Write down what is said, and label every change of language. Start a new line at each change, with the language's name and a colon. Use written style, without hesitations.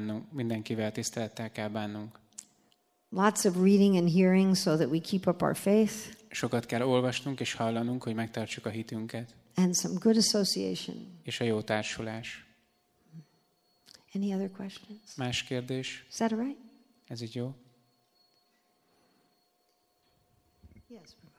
Hungarian: Mindenkivel tisztelettel kell bánnunk.
English: Lots of reading and hearing so that we keep up our faith.
Hungarian: Sokat kell olvasnunk és hallanunk, hogy megtartsuk a hitünket.
English: And some good association.
Hungarian: És a jó társulás.
English: Any other questions?
Hungarian: Más kérdés?
English: Is that right?
Hungarian: Ez így jó?
English: Yes.